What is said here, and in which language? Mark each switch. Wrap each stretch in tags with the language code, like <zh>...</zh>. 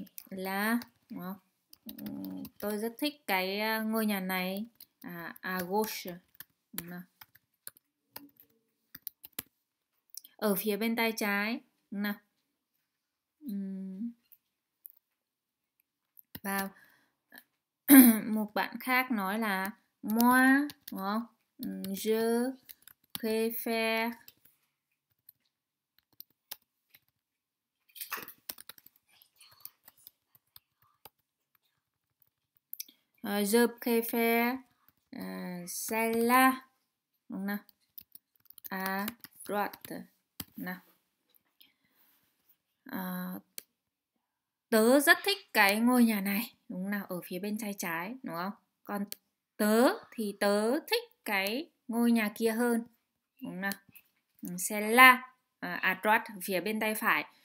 <vi>Là đúng không? Tôi rất thích cái ngôi nhà này,</vi> <fr>à gauche</fr> <vi>đúng không? Ở phía bên tay trái đúng không? Và một bạn khác nói là moi đúng không?</vi> <fr>Je préfère je préfère celle-là à droite.</fr> <vi>Nào. Tớ rất thích cái ngôi nhà này đúng không nào, ở phía bên tay trái đúng không, còn tớ thì tớ thích cái ngôi nhà kia hơn đúng không nào,</vi> <fr>celle-là à droite</fr> <vi>phía bên tay phải.</vi>